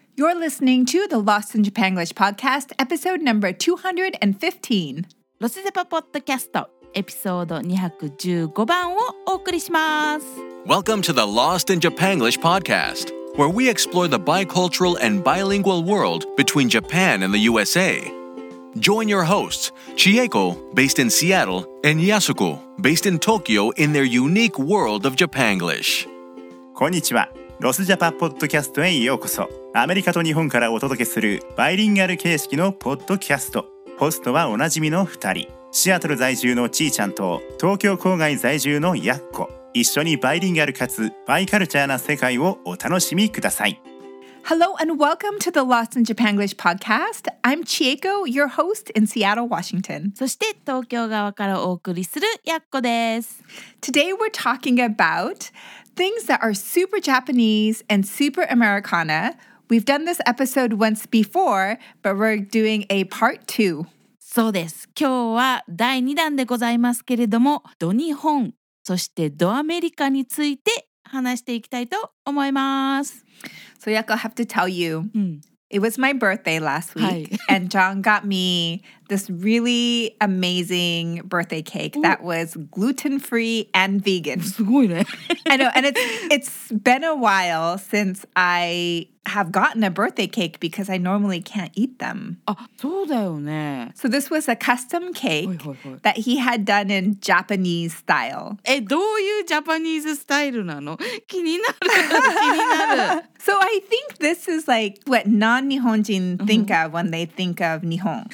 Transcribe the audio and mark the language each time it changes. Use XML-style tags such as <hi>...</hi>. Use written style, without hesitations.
<en>You're listening to the Lost in Japanglish podcast, episode number 215.</en> <ja>ロスジャパポッドキャスト、エピソード215番をお送りします。</ja> <en>Welcome to the Lost in Japanglish podcast, where we explore the bicultural and bilingual world between Japan and the USA. Join your hosts, Chieko, based in Seattle, and Yasuko, based in Tokyo, in their unique world of Japanglish.</en> <ja>こんにちは。ロスジャパポッドキャストへようこそ。アメリカと日本からお届けするバイリンガル形式のポッドキャスト。ホストはおなじみの2人、シアトル在住のちーちゃんと東京郊外在住のやっこ。一緒にバイリンガルかつバイカルチャーな世界をお楽しみください。</ja> <en>Hello and welcome to the Lost in Japanglish podcast. I'm Chieko, your host in Seattle, Washington.</en> <ja>そして東京側からお送りするやっこです。</ja> <en>Today we're talking aboutthings that are super Japanese and super Americana. We've done this episode once before, but we're doing a part two.</en> <ja>そうです。今日は第2弾でございますけれども、ド日本、そしてドアメリカについて話していきたいと思います。</ja> <en>So, Yako, I have to tell you,、it was my birthday last week,、and John got me this really amazing birthday cake that was gluten-free and vegan.</en> <ja>すごいね。</ja> <en>I know, and it's been a while since I have gotten a birthday cake because I normally can't eat them.</en> <ja>あ、そうだよね。</ja> <en>So this was a custom cake that he had done in Japanese style.</en> <ja>え、どういうジャパニーズスタイルなの？気になる、気になる。</ja> <en>So I think this is like what non-Nihonjin think of when they think of Nihon.</en>